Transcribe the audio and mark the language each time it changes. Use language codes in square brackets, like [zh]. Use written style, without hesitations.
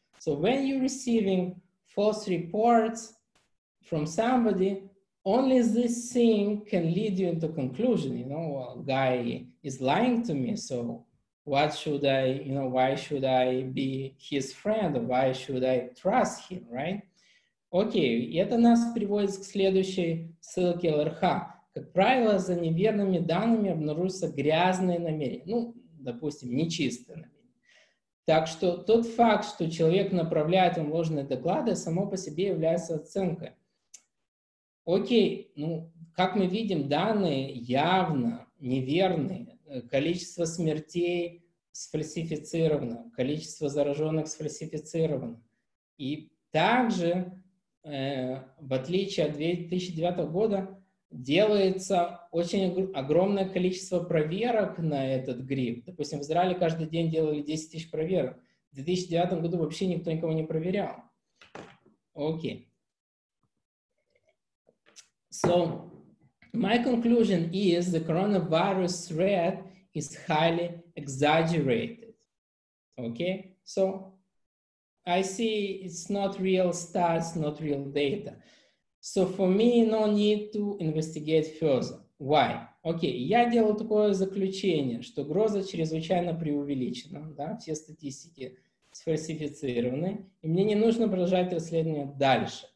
[en] So when you're receiving false reports from somebody, only this thing can lead you into conclusion. You know, well, guy is lying to me. So what should I, you know, why should I be his friend? Or why should I trust him, right? [ru] Окей, это нас приводит к следующей ссылке ЛРХ. Как правило, за неверными данными обнаружатся грязные намерения. Ну, допустим, нечистые намерения. Так что тот факт, что человек направляет вам ложные доклады, само по себе является оценкой. Окей, ну, как мы видим, данные явно неверные. Количество смертей сфальсифицировано, количество зараженных сфальсифицировано. И также, в отличие от 2009 года, делается очень огромное количество проверок на этот грипп. Допустим, в Израиле каждый день делали 10 тысяч проверок. В 2009 году вообще никто никого не проверял. Окей. [en] So, my conclusion is the coronavirus threat is highly exaggerated. Okay, so I see it's not real stats, not real data. So for me, no need to investigate further. Why? [ru] Okay, я делал такое заключение, что угроза чрезвычайно преувеличена, да, все статистики сфальсифицированы, и мне не нужно продолжать расследование дальше.